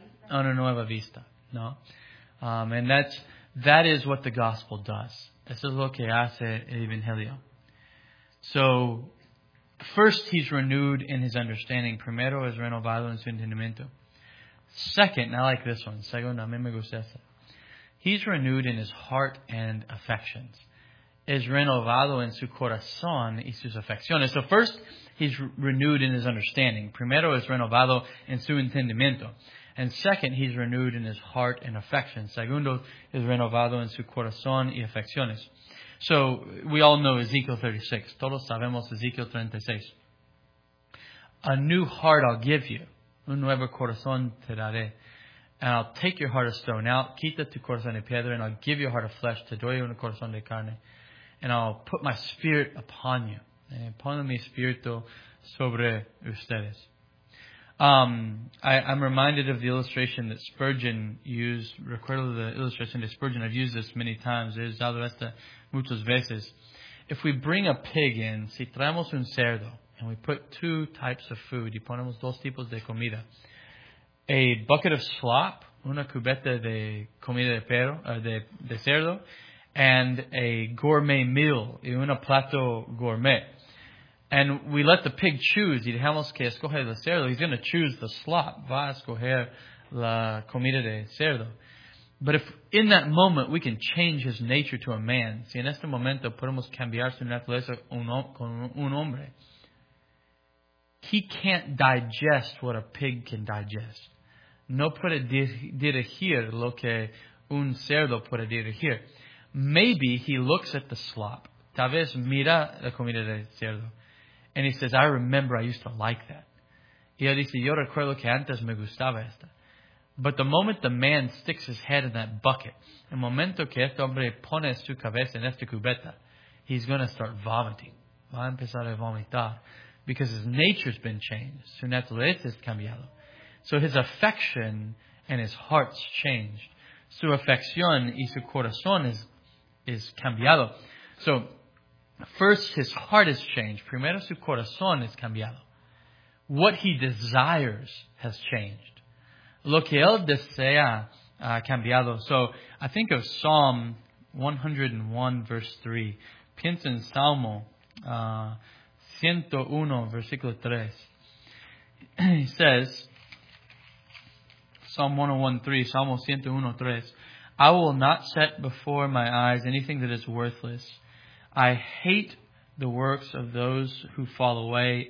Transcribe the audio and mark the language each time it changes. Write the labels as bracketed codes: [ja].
[es] una nueva vista. No? [en] And that is what the gospel does. [es] Eso es lo que hace el Evangelio. [en] So, first he's renewed in his understanding. [es] Primero es renovado en su entendimiento. [en] Second, and I like this one. [es] Segundo, a mí me gusta esa. [en] He's renewed in his heart and affections. [es] Es renovado en su corazón y sus afecciones. [en] So first, he's renewed in his understanding. [es] Primero, es renovado en su entendimiento. [en] And second, he's renewed in his heart and affections. [es] Segundo, es renovado en su corazón y afecciones. [en] So we all know Ezekiel 36. [es] Todos sabemos Ezekiel 36. [en] A new heart I'll give you. [es] Un nuevo corazón te daré. [en] And I'll take your heart of stone out, [es] quita tu corazón de piedra, [en] and I'll give you a heart of flesh, [es] te doy un corazón de carne. [en] And I'll put my spirit upon you. [es] Pon mi espíritu sobre ustedes. [en] I'm reminded of the illustration that Spurgeon used. [es] Recuerdo [en] the illustration de Spurgeon. I've used this many times. [es] He usado esta muchas veces. [en] If we bring a pig in, [es] si traemos un cerdo, [en] and we put two types of food, [es] y ponemos dos tipos de comida, [en] a bucket of slop, [es] una cubeta de comida de cerdo, [en] and a gourmet meal, [es] y un plato gourmet. [en] And we let the pig choose, [es] y dejamos que escoge el cerdo, [en] he's going to choose the slop, [es] va a escoger la comida de cerdo. [en] But if in that moment we can change his nature to a man, [es] si en este momento podemos cambiar su naturaleza con un hombre, [en] he can't digest what a pig can digest. [es] No puede digerir lo que un cerdo puede digerir. [en] Maybe he looks at the slop. [es] Tal vez mira la comida del cerdo. [en] And he says, I remember I used to like that. [es] Y él dice, yo recuerdo que antes me gustaba esta. [en] But the moment the man sticks his head in that bucket, [es] el momento que este hombre pone su cabeza en esta cubeta, [en] he's going to start vomiting. [es] Va a empezar a vomitar. [en] Because his nature's been changed. [es] Su naturaleza es cambiado. [en] So his affection and his heart's changed. [es] Su afección y su corazón is cambiado. [en] So first his heart is changed. [es] Primero su corazón es cambiado. [en] What he desires has changed. [es] Lo que él desea ha cambiado. [en] So I think of Psalm 101 verse 3. [es] Pienso en Salmo 101 versículo 3. [en] He says, Psalm 101:3, I will not set before my eyes anything that is worthless. I hate the works of those who fall away.